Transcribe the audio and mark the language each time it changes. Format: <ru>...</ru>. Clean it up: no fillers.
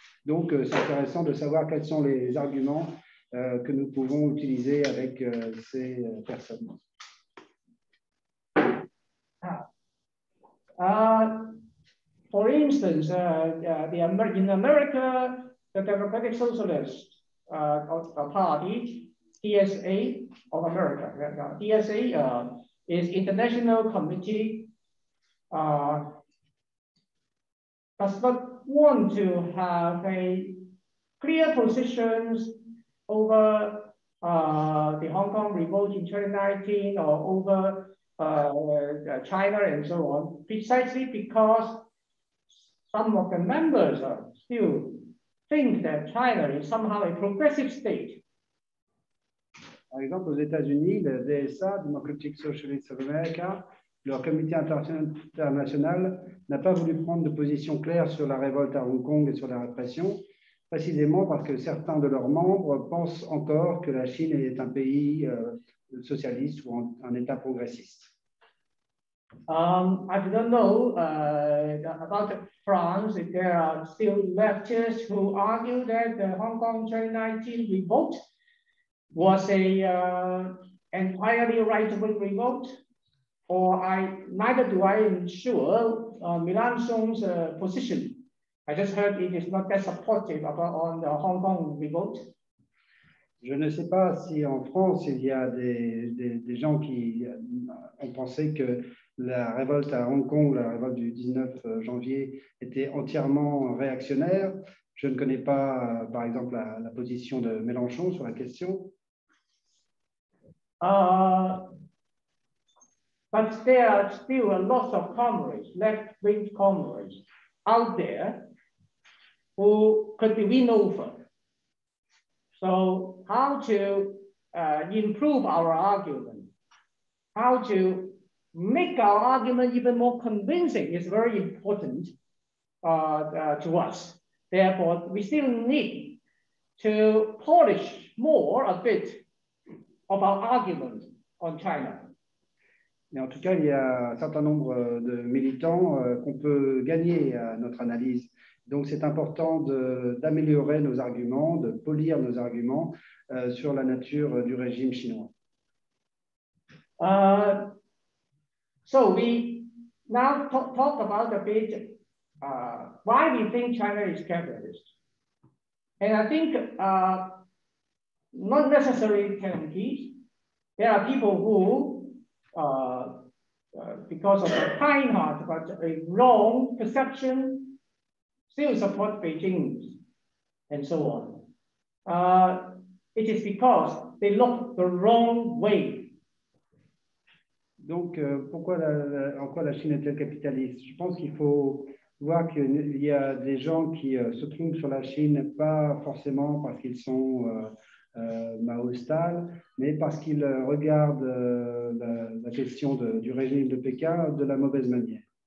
<fr>Donc c'est intéressant de savoir quels sont les arguments que nous pouvons utiliser avec ces personnes.</fr> <en>For instance, in America, the Democratic Socialist Party, DSA of America, DSA is International Committee, does not want to have a clear positions over the Hong Kong revolt in 2019 or over China and so on, precisely because some of the members still think that China is somehow a progressive state.</en> <fr>Par exemple, aux États-Unis, le DSA, Democratic Socialists of America, leur comité international n'a pas voulu prendre de position claire sur la révolte à Hong Kong et sur la répression, précisément parce que certains de leurs membres pensent encore que la Chine est un pays socialiste ou un État progressiste.</fr> <en>I don't know about France, if there are still leftists who argue that the Hong Kong 2019 revolt was a entirely right-wing revolt, or neither do I ensure Mélenchon's position. I just heard it is not that supportive on the Hong Kong revolt.</en> <fr>Je ne sais pas si en France il y a des gens qui ont pensé que la révolte à Hong Kong, la révolte du 19 janvier, était entièrement réactionnaire. Je ne connais pas, par exemple, la position de Mélenchon sur la question.</fr> <en>But there are still a lot of comrades, left-wing comrades, out there who could be win over. So how to improve our argument? How to make our argument even more convincing is very important to us. Therefore, we still need to polish more a bit of our argument on China.</en> <fr>Mais en tout cas, il y a un certain nombre de militants qu'on peut gagner à notre analyse. Donc, c'est important d'améliorer nos arguments, de polir nos arguments sur la nature du régime chinois.</fr> <en>So we now talk about a bit why we think China is capitalist. And I think not necessarily Chinese. There are people who because of a kind heart, but a wrong perception, still support Beijing and so on. It is because they look the wrong way.</en> <fr>Donc, pourquoi en quoi la Chine est-elle capitaliste? Je pense qu'il faut voir qu'il y a des gens qui se trompent sur la Chine, pas forcément parce qu'ils sont maoïstes, mais parce qu'ils regardent la question du régime de Pékin de la mauvaise manière.</fr>